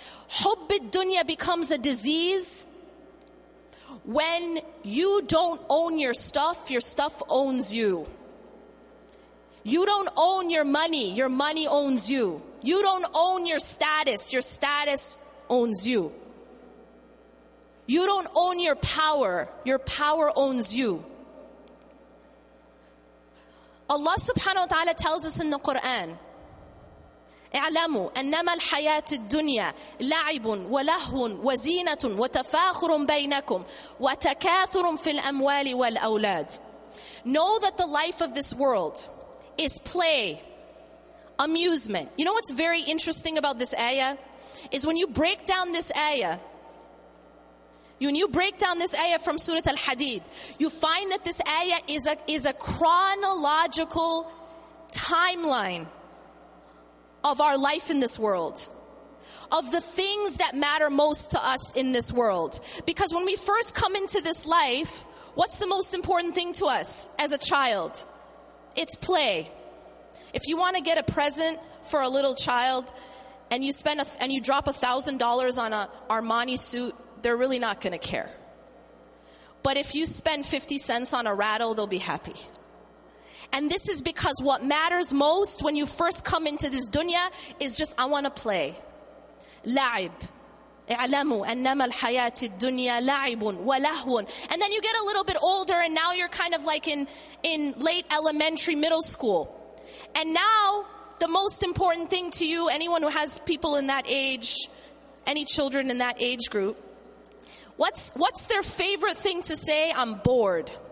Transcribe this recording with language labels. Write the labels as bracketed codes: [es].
[en] Hubb ad-dunya becomes a disease when you don't own your stuff owns you. You don't own your money owns you. You don't own your status owns you. You don't own your power owns you. [ar] Allah subhanahu wa ta'ala [en] tells us in the Quran, [ar] اعلموا أنما الحياة الدنيا لعب ولهو وزينة وتفاخر بينكم وتكاثر في الأموال والأولاد. [en] Know that the life of this world is play, amusement. You know what's very interesting about this ayah? Is when you break down this ayah, when you break down this ayah from Surah Al-Hadid, you find that this ayah is a chronological timeline of our life in this world, of the things that matter most to us in this world. Because when we first come into this life, what's the most important thing to us as a child? It's play. If you want to get a present for a little child and you spend and you drop $1,000 on a Armani suit, they're really not going to care. But if you spend 50 cents on a rattle, they'll be happy. And this is because what matters most when you first come into this dunya is just, I want to play. [ar] لعب. اعلموا أنما الحياة الدنيا لعب ولهو. [en] And then you get a little bit older and now you're kind of like in late elementary, middle school. And now the most important thing to you, anyone who has people in that age, any children in that age group, what's their favorite thing to say? I'm bored.